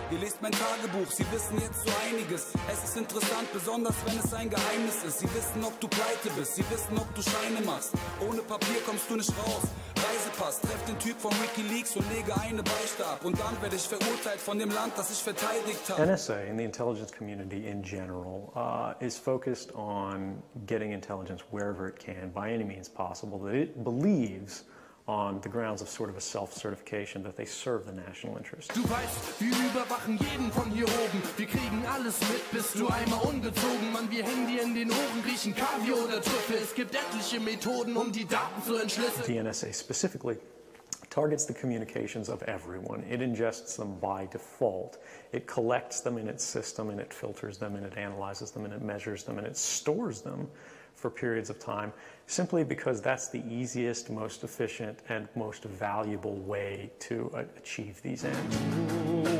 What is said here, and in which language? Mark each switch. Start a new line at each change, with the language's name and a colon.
German: Ihr lest mein Tagebuch, sie wissen jetzt so einiges. Es ist interessant, besonders wenn es ein Geheimnis ist. Sie wissen, ob du pleite bist, sie wissen, ob du Scheine machst. Ohne Papier kommst du nicht raus. Reisepass, treff den Typ von WikiLeaks und lege eine Beichte ab. Und dann werde ich verurteilt von dem Land, das ich verteidigt habe.
English: NSA in the intelligence community in general is focused on getting intelligence wherever it can, by any means possible, that it believes on the grounds of sort of a self-certification that they serve the national interest.
German: Du weißt, wir überwachen jeden von hier oben. Wir kriegen alles mit, bist du einmal ungezogen. Mann, wir hängen dir in den Ohren, riechen Kaviar oder Trüffel. Es gibt etliche Methoden, die Daten zu entschlüsseln.
English: The NSA specifically targets the communications of everyone. It ingests them by default. It collects them in its system, and it filters them, and it analyzes them, and it measures them, and it stores them for periods of time, simply because that's the easiest, most efficient, and most valuable way to achieve these ends.